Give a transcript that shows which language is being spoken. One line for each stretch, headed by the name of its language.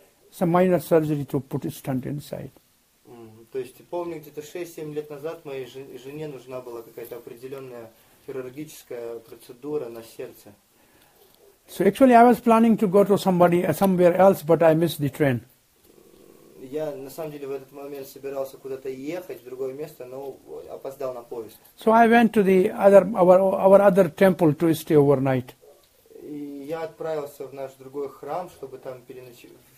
English: Some minor surgery to put a stent inside.
Russian: То есть, помню, где-то 6-7 лет назад моей жене нужна была какая-то определенная хирургическая процедура на сердце.
English: So actually, I was planning to go to somebody somewhere else, but I missed the train.
Russian: Я на самом деле в этот момент собирался куда-то ехать в другое место, но опоздал на поезд.
English: So I went to the other our other temple to stay overnight.
Russian: И я отправился в наш другой храм, чтобы там переночевать.